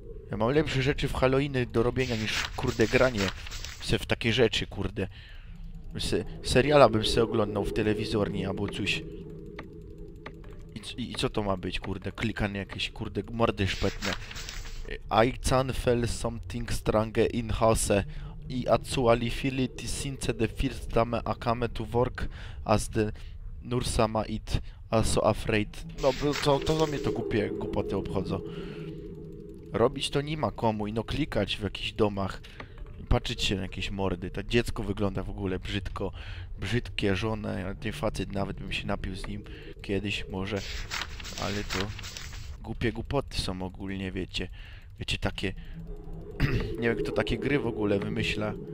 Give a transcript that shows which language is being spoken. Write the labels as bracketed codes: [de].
[pl] Ja mam lepsze rzeczy w Halloweeny do robienia niż kurde granie se w takie rzeczy, kurde. Seriala bym se oglądał w telewizorni albo coś. I co to ma być, kurde? Klikanie jakieś, kurde, mordy szpetne. [en] I can feel something strange in house. I actually feel it since the first time I came to work as the nurse ma it. I'm so afraid. [pl] No, to do mnie to głupie głupoty obchodzą. Robić to nie ma komu, ino klikać w jakichś domach, patrzeć się na jakieś mordy, to dziecko wygląda w ogóle brzydko, brzydkie żony, ten facet nawet bym się napił z nim kiedyś może, ale to głupie głupoty są ogólnie, wiecie, wiecie takie, nie wiem kto takie gry w ogóle wymyśla,